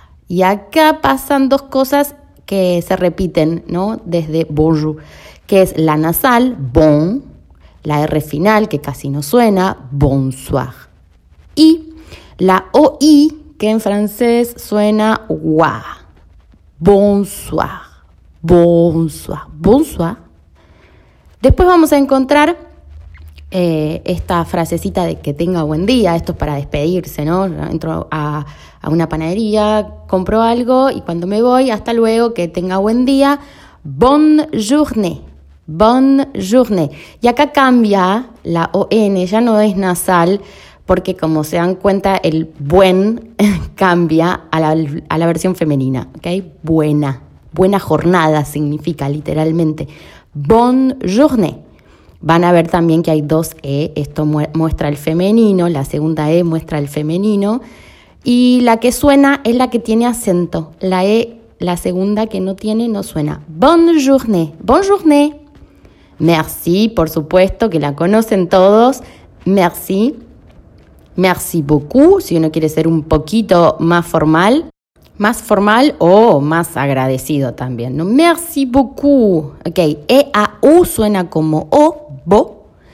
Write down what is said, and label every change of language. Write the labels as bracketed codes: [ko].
[es] Y acá pasan dos cosas que se repiten, ¿no? Desde bonjour, que es la nasal, bon, la R final que casi no suena, bonsoir. Y la OI, que en francés suena wa. [fr] Bonsoir, bonsoir, bonsoir. [es] Después vamos a encontrar esta frasecita de que tenga buen día. Esto es para despedirse, ¿no? Entro a una panadería, compro algo y cuando me voy, hasta luego, que tenga buen día. [fr] Bonne journée, bonne journée. [es] Y acá cambia la ON, ya no es nasal, porque como se dan cuenta, el buen cambia a la versión femenina, ¿ok? Buena, buena jornada significa literalmente. [fr] Bonne journée. [es] Van a ver también que hay dos E, esto muestra el femenino, la segunda E muestra el femenino, y la que suena es la que tiene acento, la E, la segunda que no tiene, no suena. [fr] Bonne journée, bonne journée. [es] Merci, por supuesto, que la conocen todos, merci. [fr] Merci beaucoup, [es] si uno quiere ser un poquito más formal o más agradecido también, ¿no? [fr] Merci beaucoup. [es] Ok, E-A-U suena como O, bo.